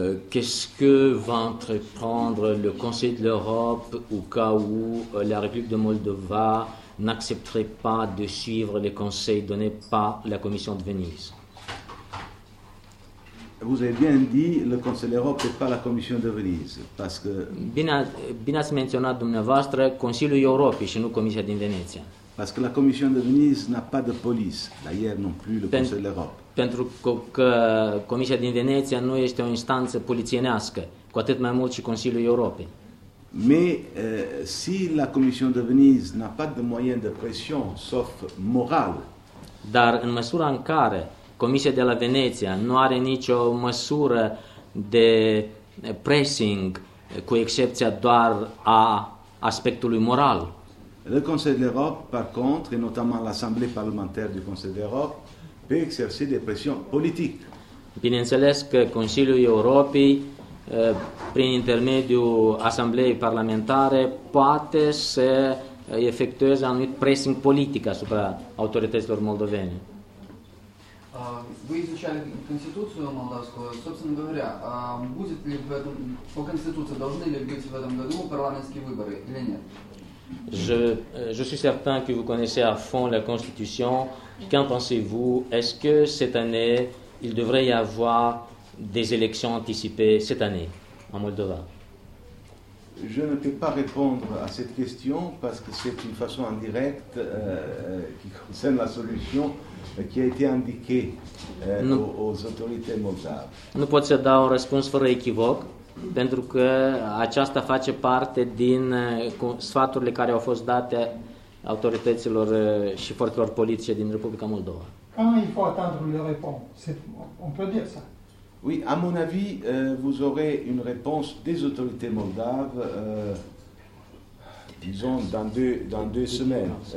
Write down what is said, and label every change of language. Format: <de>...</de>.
<fr>Qu'est-ce que va entreprendre le Conseil de l'Europe au cas où la République de Moldova n'accepterait pas de suivre les conseils donnés par la Commission de Venise? Vous avez bien dit, le Conseil de l'Europe n'est pas la Commission de Venise, parce que...</fr> <ro>Bine ați menționat dumneavoastră Consiliul Europei și nu Comisia din Veneția.</ro> <fr>Parce que la Commission de Venise n'a pas de police, d'ailleurs non plus le Conseil de l'Europe.</fr> <ro>Pentru că Comisia din Veneția nu este o instanță polițienească, cu atât mai mult și Consiliul Europei.</ro> <fr>Mais si la Commission de Venise n'a pas de moyens de pression, sauf moral...</fr> <ro>Dar în măsura în care Comisia de la Veneția nu are nicio măsură de pressing, cu excepția doar a aspectului moral.</ro> <fr>Le Conseil de l'Europe, par contre, et notamment l'Assemblée parlementaire du Conseil de l'Europe, peut exercer des pressions politiques.</fr> <ro>Bineînțeles că Consiliul Europei, prin intermediul Asambleei Parlamentare, poate să efectueze anumit pressing politic asupra autorităților moldovene.</ro> <ru>Вы изучали Конституцию молдавскую, собственно говоря, будет ли в этом, по Конституции должны ли быть в этом году парламентские выборы или нет?</ru> <fr>Je suis certain que vous connaissez à fond la Constitution. Qu'en pensez-vous? Est-ce que cette année, il devrait y avoir des élections anticipées cette année en Moldova? Je ne peux pas répondre à cette question parce que c'est une façon indirecte qui concerne la solution qui a été indiqué aux autorités moldaves.</fr> <ro>Nu pot să dau un răspuns fără echivoc, pentru că aceasta face parte din sfaturile care au fost date autorităților și forțelor politice din Republica Moldova.</ro> <fr>Quand il faut attendre une réponse, on peut dire ça. Oui, à mon avis, vous aurez une réponse des autorités moldaves disons dans deux semaines.</fr>